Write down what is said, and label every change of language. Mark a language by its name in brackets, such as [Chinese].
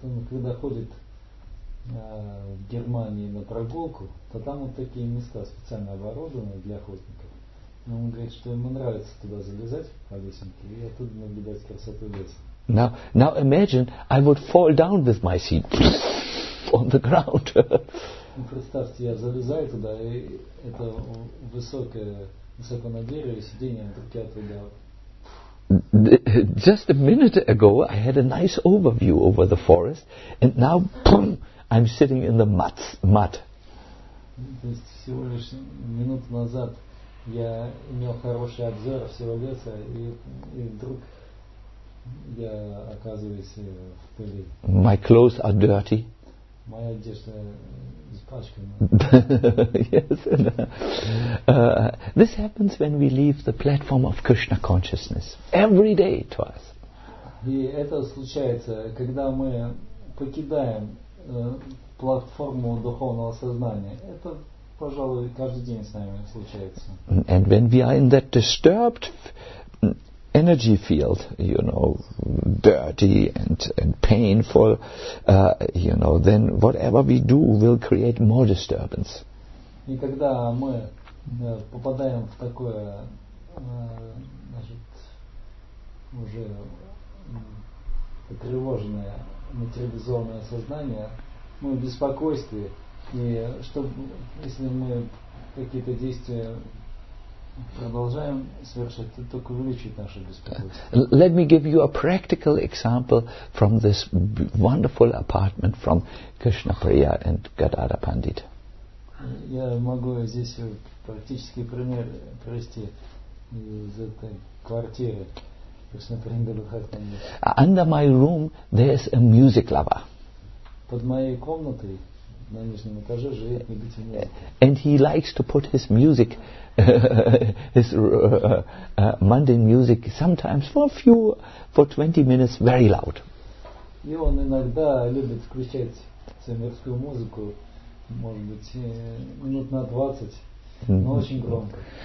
[Russian] Когда ходит в Германии на прогулку, то там вот такие места специально оборудованы для охотников. Но он говорит, что ему нравится туда залезать по лесенке и оттуда наблюдать красоту леса. [English] Now imagine I would fall down with my seat on the ground. [Russian] Представьте, я залезаю туда, и это высоко на дереве сиденье, он только оттуда. [English] Just a minute ago, I had a nice overview over the forest, and now, boom, I'm sitting in the mud. [Russian] То есть всего лишь минуту назад я имел хороший обзор всего леса, и вдруг я оказываюсь в пыли. [English] My clothes are dirty. [Russian] Моя одежда испачкана. [English] Yes. This happens when we leave the platform of Krishna consciousness every day to us. [Russian] И это случается, когда мы покидаем платформу духовного сознания. Это, пожалуй, каждый день с нами случается. [English] And when we are in that disturbed energy field, you know, dirty and painful, you know, then whatever we do will create more disturbance. [Russian] И когда мы попадаем в такое, значит, уже тревожное материализованное сознание, мы в беспокойстве, и чтобы, если мы какие-то действия продолжаем совершать, это только увеличит наше беспокойство. [English] Let me give you a practical example from this wonderful apartment from Krishna Priya and Gadada Pandit. [Russian] Я могу здесь практический пример привести из этой квартиры Krishna Priya Bhakti Pandit. [English] Under my room there is a music lover. [Russian] Под моей комнатой на нижнем этаже живет любитель музыки. [English] And he likes to put his music, his mundane music, sometimes for 20 minutes, very loud. [Russian] И он иногда любит включать свою мирскую музыку, может быть, минут на 20, но очень громко.